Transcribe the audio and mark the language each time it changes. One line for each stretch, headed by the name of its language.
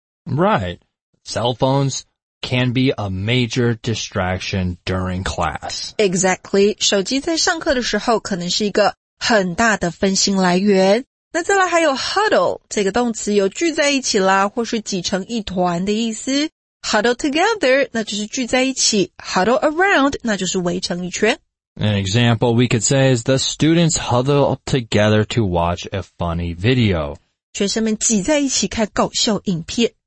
English: Right， cell phones， can be a major distraction during class. Exactly.
Chinese: 手机在上课的时候可能是一个很大的分心来源。那再来还有 huddle, 这个动词有聚在一起啦或是挤成一团的意思。 Huddle together, 那就是聚在一起。Huddle around, 那就是围成一圈。
English: An example we could say is the students huddle together to watch a funny video.
Chinese: 学生们挤在一起看搞笑影片。